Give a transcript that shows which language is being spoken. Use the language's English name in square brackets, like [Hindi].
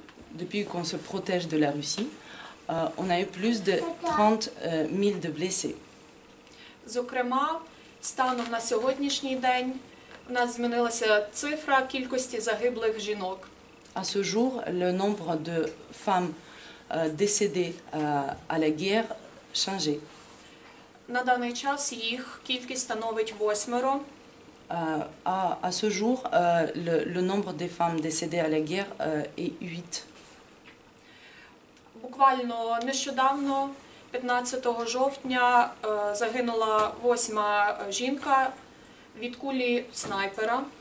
[French] Depuis qu'on se protège de la Russie, on a eu plus de 30 000 de blessés. [Ukrainian] Зокрема, станом на сьогоднішній день у нас змінилася цифра кількості загиблих жінок. [French] À ce jour, le nombre de femmes décédées à la guerre changé. [Ukrainian] На даний час їх кількість становить восьмеро. [French] À ce jour, le nombre des femmes décédées à la guerre est 8. [Ukrainian] Буквально нещодавно, 15 жовтня, загинула восьма жінка від кулі снайпера.